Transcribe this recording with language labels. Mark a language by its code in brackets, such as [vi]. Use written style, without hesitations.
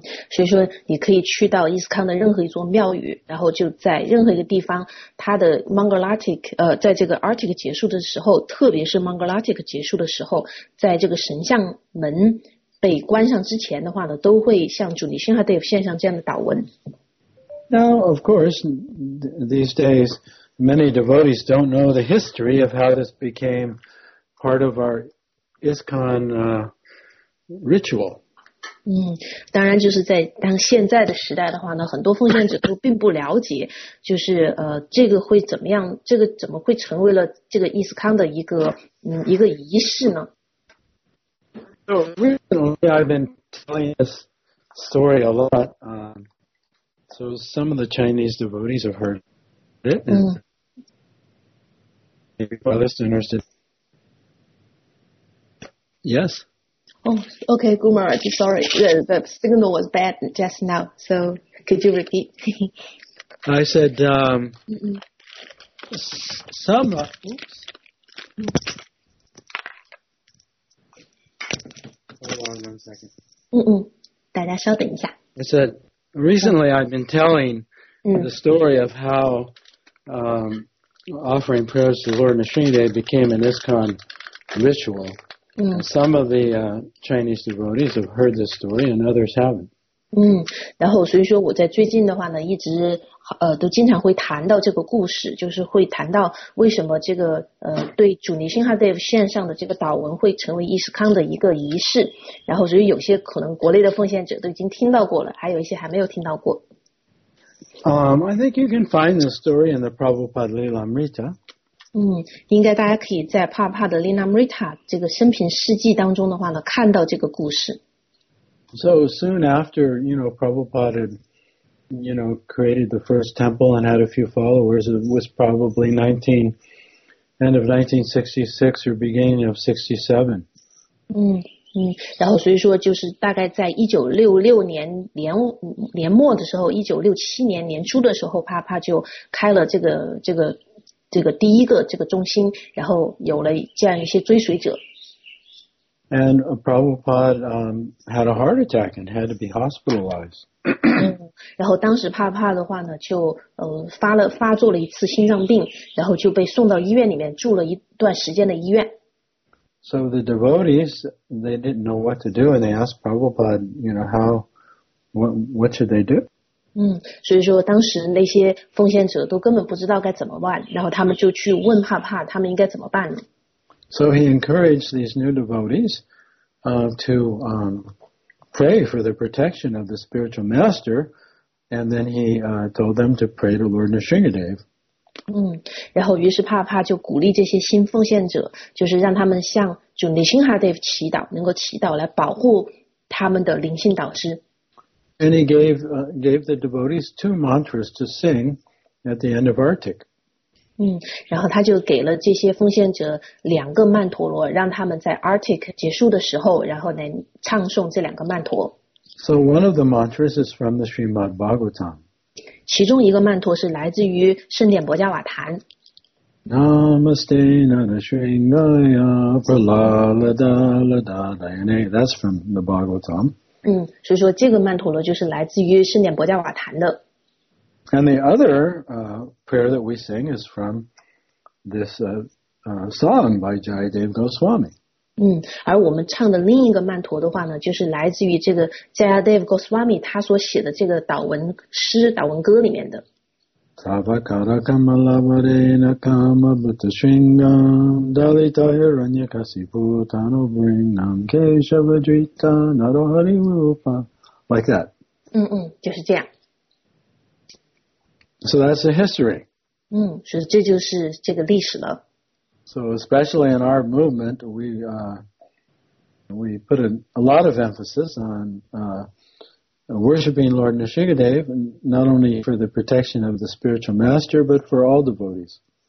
[zh] 所以说你可以去到伊斯康的任何一座庙宇，然后就在任何一个地方，它的 Mongolatic 在这个 Arctic 结束的时候，特别是 Mongolatic 结束的时候，在这个神像门被关上之前的话呢，都会向主Nrisimhadeva献上这样的祷文。 [en] Now, of course, these days, many devotees don't know the history of how this became part of our ISKCON ritual. [zh] 当然就是在当现在的时代的话呢，很多奉献者都并不了解，就是这个会怎么样，这个怎么会成为了这个伊斯康的一个仪式呢？ [en] So recently I've been telling this story a lot, so some of the Chinese devotees have heard it, and maybe my listeners did. Yes. Oh, okay, Gumar, I'm sorry. The signal was bad just now, so could you repeat? I said, some, oops. Hold on one second. [zh] 大家稍等一下。 [en] I said, recently I've been telling the story of how offering prayers to Lord Nrisimhadeva became an ISKCON ritual. Some of the Chinese devotees have heard this story, and others haven't. [zh] 然后所以说我在最近的话呢，一直都经常会谈到这个故事，就是会谈到为什么这个对主Nrisimhadeva献上的这个祷文会成为伊斯康的一个仪式。然后所以有些可能国内的奉献者都已经听到过了，还有一些还没有听到过。 [en] I think you can find the story in the Prabhupada Lilamrita. [zh] 应该大家可以在帕帕的 Lilamrita 这个生平事迹当中的话呢，看到这个故事。 [en] So soon after, you know, Prabhupada had, you know, created the first temple and had a few followers, it was probably end of 1966 or beginning of 67. [zh] 然后所以说就是大概在1966年年末的时候，1967年年初的时候，帕帕就开了这个第一个这个中心，然后有了这样一些追随者。 [en] And Prabhupada had a heart attack and had to be hospitalized. [zh] 然后当时帕帕的话呢，就发作了一次心脏病，然后就被送到医院里面住了一段时间的医院。 [en] So the devotees, they didn't know what to do, and they asked Prabhupada, you know, what should they do? [zh] 所以说当时那些奉献者都根本不知道该怎么办，然后他们就去问帕帕他们应该怎么办呢。 [en] So he encouraged these new devotees to pray for the protection of the spiritual master, and then he told them to pray to Lord Nrisimhadeva. [zh] 然后于是帕帕就鼓励这些新奉献者，就是让他们向主Nrisimhadeva祈祷，能够祈祷来保护他们的灵性导师。 [en] And he gave the devotees two mantras to sing at the end of arctic. [zh] 然后他就给了这些奉献者两个曼陀罗，让他们在 arctic 结束的时候，然后来唱诵这两个曼陀。 [en] So one of the mantras is from the Srimad Bhagavatam. [zh] 其中一个曼陀是来自于圣典薄伽瓦坛。 [sa] Namaste Narasimhaya Pralalada Ladadayane. [en] That's from the Bhagavatam. [zh] 所以说这个曼陀罗就是来自于圣典薄伽瓦坛的。 [en] And the other prayer that we sing is from this song by Jayadeva Goswami. [zh] 而我们唱的另一个曼陀的话呢，就是来自于这个 Jayadeva Goswami 他所写的这个祷文诗、祷文歌里面的。 [sa] Savakara kamala varena kama bhuta shringam dalita hiranya kasipu tano bringam keshava drita narohari rupa. [en] Like that. [zh] 嗯嗯，就是这样。 [en] So that's the history. [zh] 嗯，是这就是这个历史了。 [en] So especially in our movement, we put a lot of emphasis on worshipping Lord Nrisingadev, not only for the protection of the spiritual master, but for all devotees.